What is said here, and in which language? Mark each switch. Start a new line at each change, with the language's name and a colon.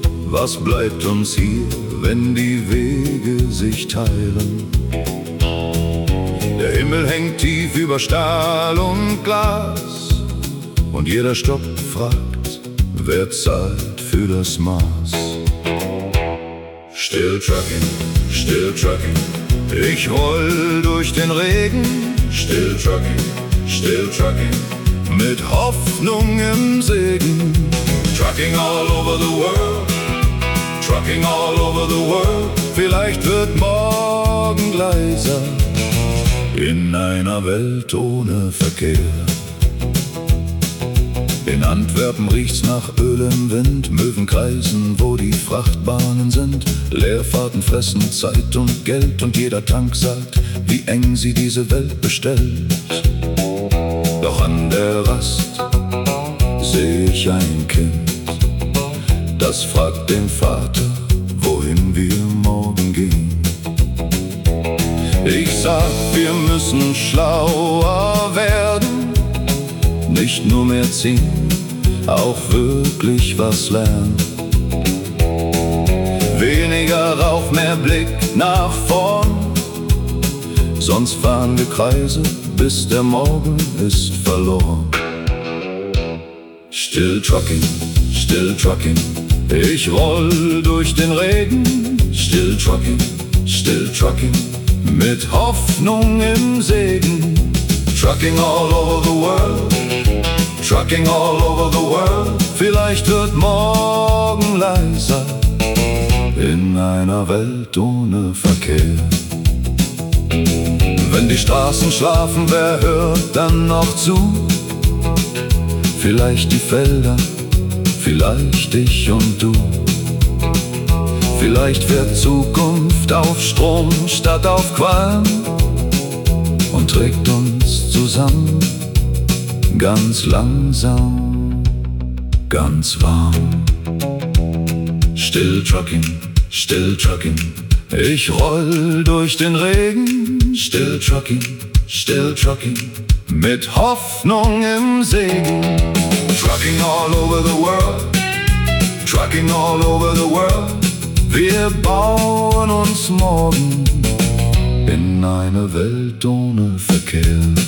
German: Was bleibt uns hier, wenn die Wege sich teilen? Der Himmel hängt tief über Stahl und Glas. Und jeder Stopp fragt, wer zahlt für das Maß?
English: Still trucking, still trucking.
German: Ich roll durch den Regen.
English: Still trucking, still trucking.
German: Mit Hoffnung im Segen.
English: Trucking all over the world. Trucking all over the world.
German: Vielleicht wird morgen leiser. In einer Welt ohne Verkehr. In Antwerpen riecht's nach Öl im Wind. Möwen kreisen, wo die Frachtbahnen sind. Leerfahrten fressen Zeit und Geld. Und jeder Tank sagt, wie eng sie diese Welt bestellt. Doch an der Rast seh ich ein Kind. Das fragt den Vater, wohin wir morgen gehen. Ich sag, wir müssen schlauer werden. Nicht nur mehr ziehen, auch wirklich was lernen. Weniger Rauch, mehr Blick nach vorn. Sonst fahren wir Kreise, bis der Morgen ist verloren.
English: Still trucking, still trucking.
German: Ich roll durch den Regen.
English: Still trucking, still trucking.
German: Mit Hoffnung im Segen.
English: Trucking all over the world. Trucking all over the world.
German: Vielleicht wird morgen leiser. In einer Welt ohne Verkehr. Wenn die Straßen schlafen, wer hört dann noch zu? Vielleicht die Felder, vielleicht ich und du. Vielleicht fährt Zukunft auf Strom statt auf Qualm und trägt uns zusammen, ganz langsam, ganz warm.
English: Still trucking, still trucking,
German: ich roll durch den Regen.
English: Still trucking, still trucking,
German: mit Hoffnung im Segen.
English: Trucking all over the world, trucking all over the world.
German: Wir bauen uns morgen in eine Welt ohne Verkehr.